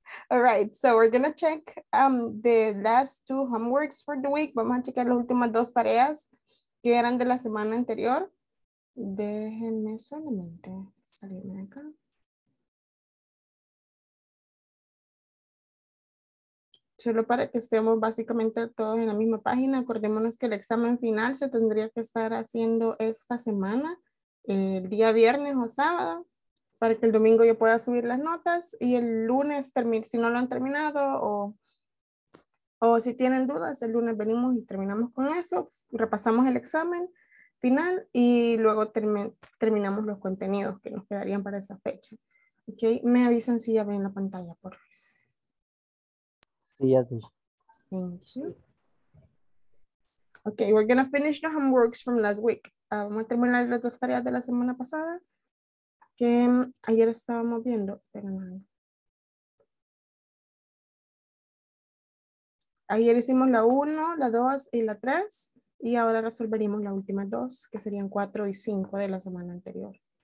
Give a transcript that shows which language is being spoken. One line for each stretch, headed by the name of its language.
English: All right, so we're going to check the last two homeworks for the week.
Spanish: Vamos a checar las últimas dos tareas que eran de la semana anterior. Déjenme solamente salirme de acá. Solo para que estemos básicamente todos en la misma página, acordémonos que el examen final se tendría que estar haciendo esta semana, el día viernes o sábado, para que el domingo yo pueda subir las notas y el lunes termine, si no lo han terminado o si tienen dudas, el lunes venimos y terminamos con eso, repasamos el examen final y luego terminamos los contenidos que nos quedarían para esa fecha. Okay, me avisan si ya ven la pantalla, por favor. Sí, ya sí.
English: Okay, we're going to finish the homeworks from last week.
Spanish: Vamos a terminar las dos tareas de la semana pasada que ayer estábamos viendo, pero no. Ayer hicimos la 1, la 2 y la 3. Y ahora resolveríamos la última dos, que serían 4 y 5 de la semana anterior.